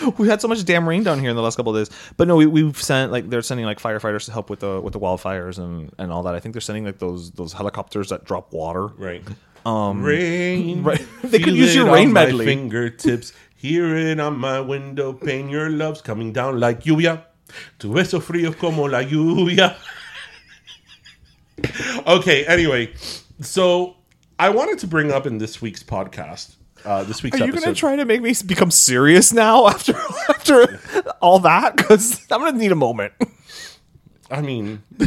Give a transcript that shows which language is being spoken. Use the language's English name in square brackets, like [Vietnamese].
[English] We had so much damn rain down here in the last couple of days. But no, we've sent, like, they're sending, like, firefighters to help with the wildfires and all that. I think they're sending, like, those helicopters that drop water. Right. Rain. Right. They could use your rain medley. Feel it on my fingertips, hear it on my window pane. Your love's coming down like [Spanish] lluvia. Tu beso frío como la lluvia. [English] Okay, anyway, so I wanted to bring up in this week's podcast, this week's episode. Are you going to try to make me become serious now after all that? Because I'm going to need a moment. I mean...